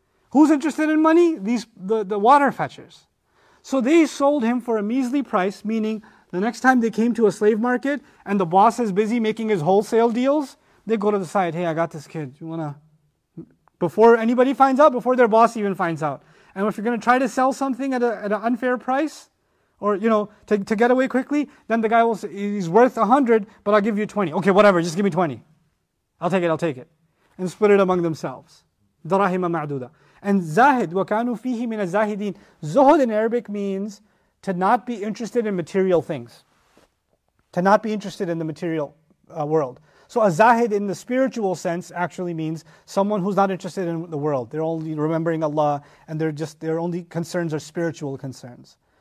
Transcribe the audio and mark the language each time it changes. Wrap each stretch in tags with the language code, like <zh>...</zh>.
<en>Who's interested in money? The water fetchers. So they sold him for a measly price, meaning the next time they came to a slave market and the boss is busy making his wholesale deals, they go to the side, hey, I got this kid, you wanna, before anybody finds out, before their boss even finds out. And if you're gonna try to sell something at an unfair price, or you know, to get away quickly, then the guy will say, he's worth 100, but I'll give you 20. Okay, whatever, just give me 20. I'll take it. And split it among themselves.</en> <ar>Darahima ma'duda.</ar> <en>And zahid,</en> <ar>وَكَانُوا فِيهِ مِنَ الزَّاهِدِينَ.</ar> <en>Zuhud in Arabic means to not be interested in material things. To not be interested in the material world. So a zahid in the spiritual sense actually means someone who's not interested in the world. They're only remembering Allah and their only concerns are spiritual concerns.</en>